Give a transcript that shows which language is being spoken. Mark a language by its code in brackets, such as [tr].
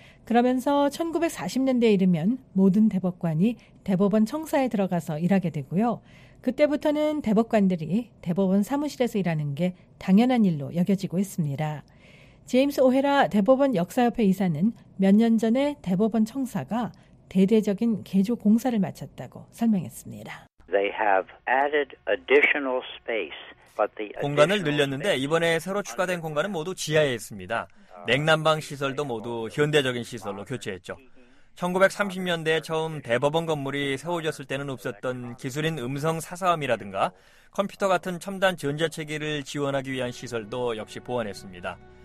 [ko] 그러면서 1940년대에 이르면 모든 대법관이 대법원 청사에 들어가서 일하게 되고요. 그때부터는 대법관들이 대법원 사무실에서 일하는 게 당연한 일로 여겨지고 있습니다. 제임스 오헤라 대법원 역사협회 이사는 몇 년 전에 대법원 청사가 대대적인 개조 공사를 마쳤다고 설명했습니다. [en] They have added additional space. [ko] 공간을 늘렸는데 이번에 새로 추가된 공간은 모두 지하에 있습니다. 냉난방 시설도 모두 현대적인 시설로 교체했죠. 1930년대에 처음 대법원 건물이 세워졌을 때는 없었던 기술인 음성 사서함이라든가 컴퓨터 같은 첨단 전자체기를 지원하기 위한 시설도 역시 보완했습니다.